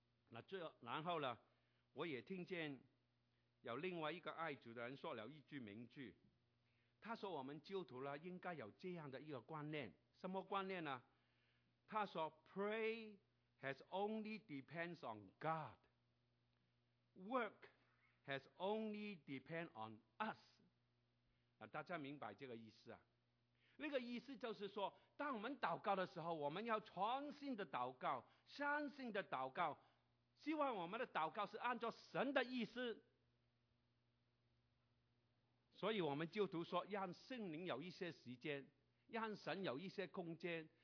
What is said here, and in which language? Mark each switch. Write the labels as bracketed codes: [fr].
[zh] 那这然后呢，我也听见有另外一个爱主的人说了一句名句，他说我们基督徒呢应该有这样的一个观念，什么观念呢？他说 [en] Pray has only depends on God， Work has only depend on us。 [zh] 大家明白这个意思啊？那个意思就是说，当我们祷告的时候，我们要全心的祷告，相信的祷告，希望我们的祷告是按照神的意思。所以我们基督徒说，让圣灵有一些时间，让神有一些空间。